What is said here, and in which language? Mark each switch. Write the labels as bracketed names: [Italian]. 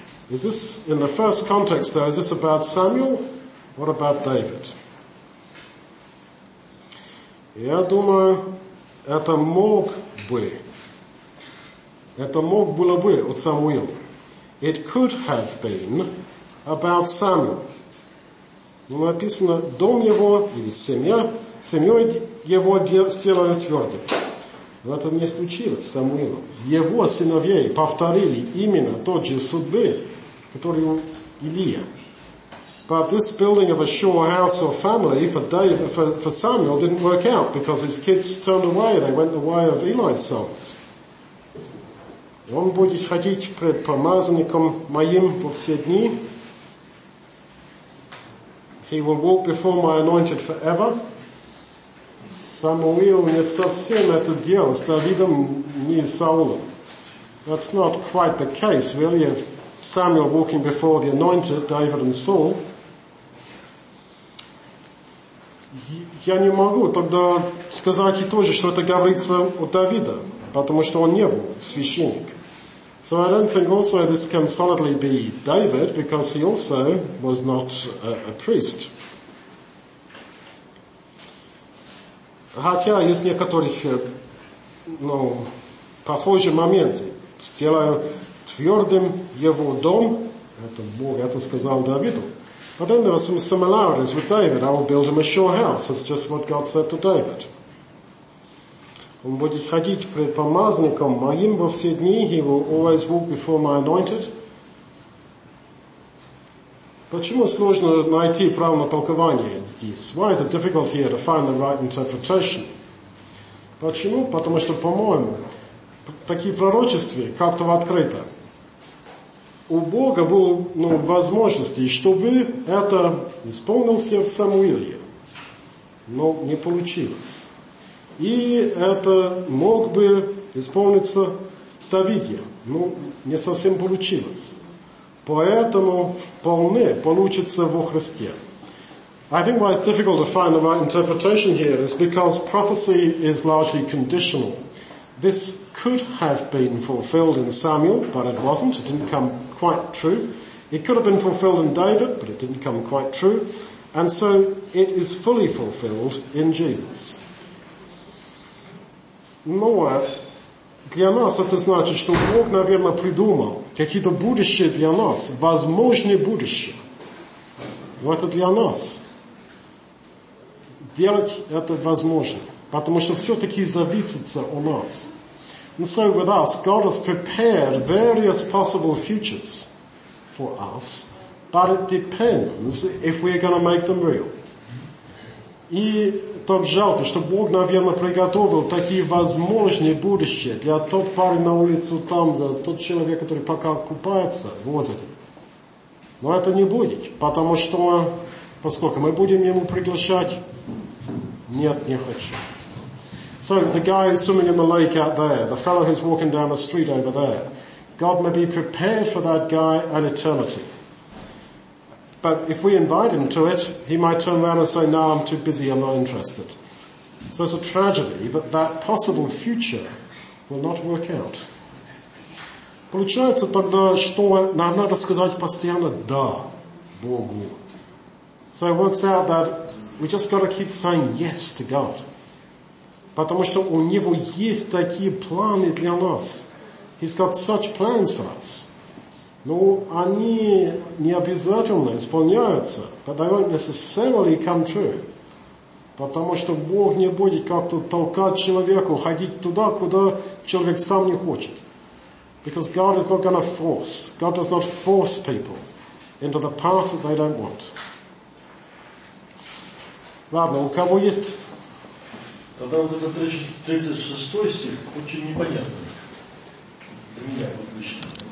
[English] Is this in the first context, though, is this about Samuel or about David? [Russian] Я думаю, это мог бы. Это мог было бы о Самуил. [English] It could have been about Samuel. [Russian] Но написано, дом его или семья, семьей его сделаю твердым. Но это не случилось с Самуилом. Его сыновей повторили именно тот же судьбы, который у Илия. [English] But this building of a sure house or family for David, for Samuel didn't work out because his kids turned away. They went the way of Eli's sons. [Russian] И он будет ходить пред помазанником моим во все дни. [English] He will walk before my anointed forever. [Russian] Самуил не совсем это делал с Давидом, не с Саулом. [English] That's not quite the case, really, of Samuel walking before the anointed, David and Saul. [Russian] Я не могу тогда сказать и то же, что это говорится о Давида, потому что он не был священник. [English] So I don't think also this can solidly be David, because he also was not a priest. [Russian] Хотя есть некоторых, ну, похожие моменты. Сделаю твердым его дом, это Бог это сказал Давиду. [English] But then there are some similarities with David. I will build him a sure house. That's just what God said to David. [Russian] Он будет ходить пред помазанником моим во все дни. [English] He will always walk before my anointed. [Russian] Почему сложно найти правильное толкование здесь? [English] Why is it difficult here to find the right interpretation? [Russian] Почему? Потому что, по-моему, такие пророчества как-то открыто. У Бога было, ну, возможности, чтобы это исполнилось в Самуиле. Но не получилось. И это мог бы исполниться в Давиде. Но не совсем получилось. Поэтому вполне получится во Христе. [English] I think why it's difficult to find the right interpretation here is because prophecy is largely conditional. This could have been fulfilled in Samuel, but it wasn't. It didn't come quite true. It could have been fulfilled in David, but it didn't come quite true. And so it is fully fulfilled in Jesus. [Russian] Но для нас это значит, что Бог, наверное, придумал какие-то будущие для нас, возможные будущие. Но это для нас. Делать это возможно. Потому что все-таки зависится у нас. [English] And so with us, God has prepared various possible futures for us, but it depends if we're going to make them real. [Russian] И так жалко, что Бог, наверное, приготовил такие возможные будущие для тот парень на улицу там, за тот человек, который пока купается в озере. Но это не будет, потому что, поскольку мы будем ему приглашать, нет, не хочу. [English] So the guy is swimming in the lake out there, the fellow who's walking down the street over there, God may be prepared for that guy an eternity. But if we invite him to it, he might turn around and say, no, I'm too busy, I'm not interested. So it's a tragedy that that possible future will not work out. [Russian] Получается тогда, что нам надо сказать постоянно «да» Богу. [English] So it works out that we just got to keep saying «yes» to God. [Russian] Потому что у Него есть такие планы для нас. [English] He's got such plans for us. [Russian] Но они не обязательно исполняются. [English] But they won't necessarily come true. [Russian] Потому что Бог не будет как-то толкать человеку ходить туда, куда человек сам не хочет. [English] Because God is not going to force. God does not force people into the path that they don't want. [Russian] Ладно, у кого есть... Тогда вот этот 36 стих очень непонятный для меня, вот лично.